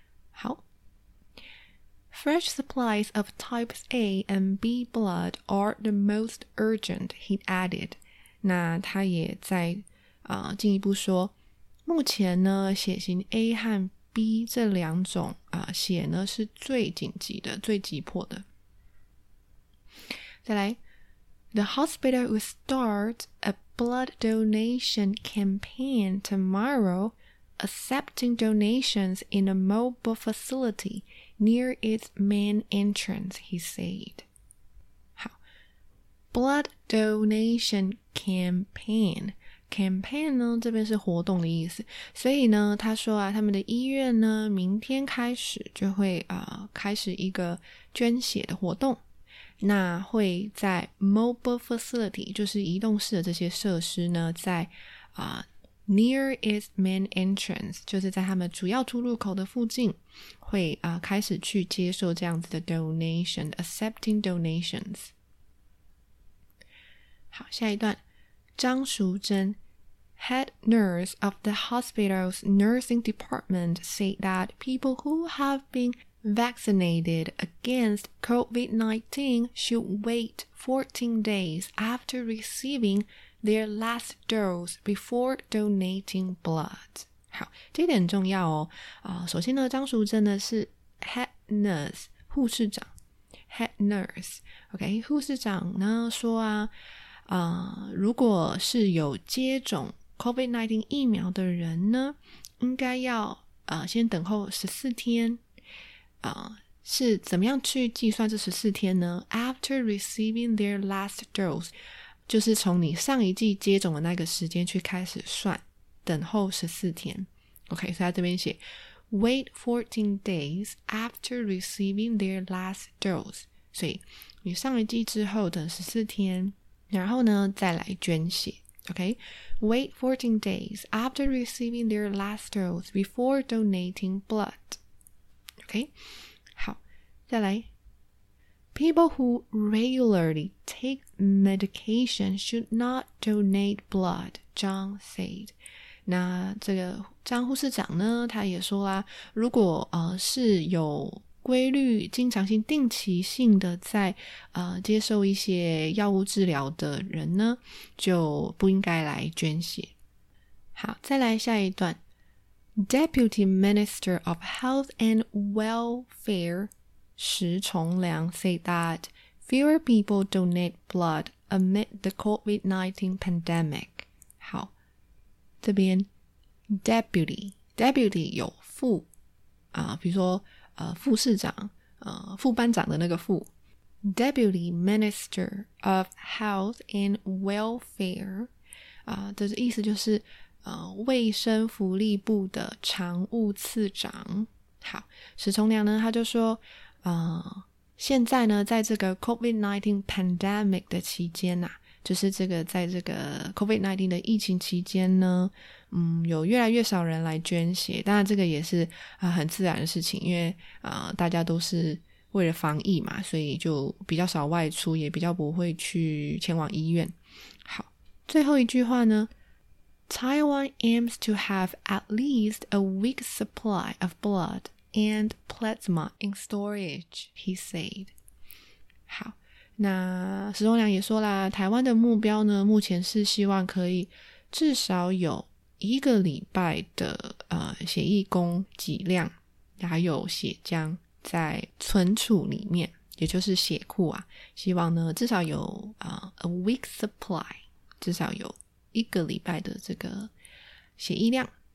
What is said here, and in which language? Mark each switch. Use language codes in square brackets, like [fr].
[en] 好， Fresh supplies of types A and B blood are the most urgent, he added. [zh] 那他也在进一步说，目前呢血型 A 和 B 这两种血呢是最紧急的最急迫的。再来， [en] The hospital will start a blood donation campaign tomorrow, accepting donations in a mobile facility near its main entrance, he said. [zh] 好， [en] Blood donation campaign [zh] 呢这边是活动的意思，所以呢他说啊他们的医院呢明天开始就会开始一个捐血的活动，那会在 [en] mobile facility [zh] 就是移动式的这些设施呢在 [en] near its main entrance [zh] 就是在他们主要出入口的附近会开始去接受这样子的 [en] donation accepting donations。 [zh] 好，下一段， [en] 张淑珍 head nurse of the hospital's nursing department said that people who have been vaccinated against COVID-19 should wait 14 days after receiving their last dose before donating blood. [zh] 好，这一点很重要哦。首先呢，张淑珍呢是 head nurse 护士长 head nurse OK 护士长呢说啊，如果是有接种 COVID-19 疫苗的人呢，应该要先等候14天是怎么样去计算这14天呢？ [en] After receiving their last dose [zh] 就是从你上一剂接种的那个时间去开始算，等候14天。 OK， 所以在这边写 [en] Wait 14 days after receiving their last dose， [zh] 所以你上一剂之后等14天，然后呢再来捐血。 [en] OK， Wait 14 days after receiving their last dose before donating blood。 OK， [zh] 再来， [en] People who regularly take medication should not donate blood, John said. [zh] 那这个张护士长呢，他也说啦，如果是有规律、经常性、定期性的在接受一些药物治疗的人呢，就不应该来捐血。好，再来下一段， [en] Deputy Minister of Health and Welfare. 石崇良 said that fewer people donate blood amid the COVID-19 pandemic. [zh] 好，这边 deputy 有副比如说副市长副班长的那个副 [en] deputy minister of health and welfare [zh] 这意思就是卫生福利部的常务次长。好，石崇良呢他就说现在呢在这个 COVID-19 pandemic 的期间啊，就是这个在这个 COVID-19 的疫情期间呢，有越来越少人来捐血，当然这个也是很自然的事情，因为大家都是为了防疫嘛，所以就比较少外出，也比较不会去前往医院。好，最后一句话呢， [en] Taiwan aims to have at least a week's supply of bloodand plasma in storage, he said. [zh] 好，那石崇良也说啦，台湾的目标呢，目前是希望可以至少有一个礼拜的血液供给量，还有血浆在存储里面，也就是血库啊，希望呢至少有 [en] a week supply, [zh] 至少有一个礼拜的这个血液量。